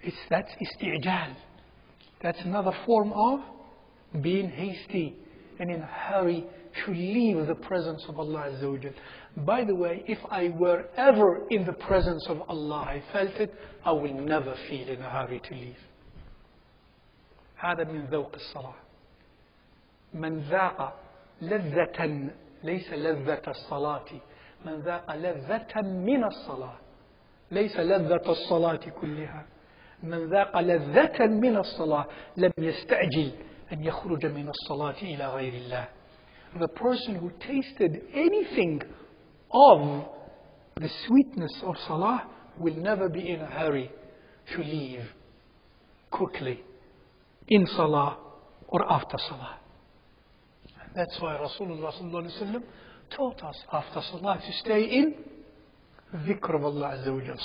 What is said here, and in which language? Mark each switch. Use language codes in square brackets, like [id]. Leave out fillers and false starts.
[en] That's isti'jal. That's another form of being hasty and in a hurry to leave the presence of Allah Azza wa Jal. By the way, if I were ever in the presence of Allah, I felt it, I will never feel in a hurry to leave. [ar] هذا من ذوق الصلاة. من ذاق لذة ليس لذة الصلاة. من ذاق لذة من الصلاة ليس لذة الصلاة كلها. من ذاق لذة من الصلاة لم يستعجل أن يخرج من الصلاة إلى غير الله. [en] The person who tasted anything of the sweetness of salah will never be in a hurry to leave quickly in salah or after salah. That's why Rasulullah sallallahu alaihi wasallam taught us after salah to stay in dhikr of Allah Azza wa Jal.